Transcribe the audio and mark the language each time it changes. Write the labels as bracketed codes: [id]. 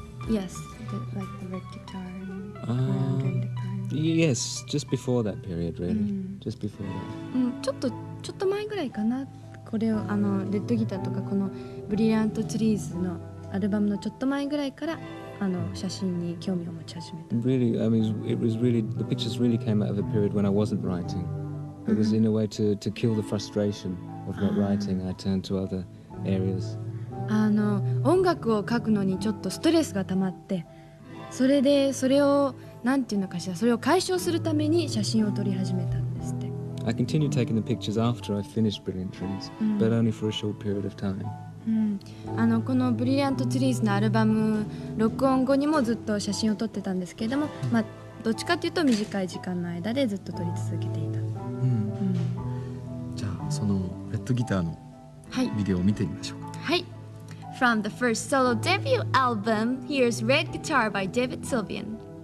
[en] Yes, like the red guitar and during the time. Yes, just before that period, really. Just before that. [ja] ちょっと前ぐらいかな。これをあのレッドギターとかこのブリリアントツリーズのアルバムのちょっと前ぐらいからあの写真に興味を持ち始めた。 [en] Really, I mean, it was really the pictures really came out of a period when I wasn't writing. It was in a way to kill the frustration of not writing. I turned to other areas. [ja] あの音楽を書くのにちょっとストレスが溜まって、それでそれをなんていうのかしら、それを解消するために写真を撮り始めた。 [en] I continued taking the pictures after I finished Brilliant Trees, but only for a short period of time. [ja] あのこの Brilliant Trees のアルバム録音後にもずっと写真を撮ってたんですけれども、まあどっちかというと短い時間の間でずっと撮り続けていた。じゃあそのレッドギターのビデオを見てみましょうか。 [en] はい。From the first solo debut album, here's Red Guitar by David Sylvian.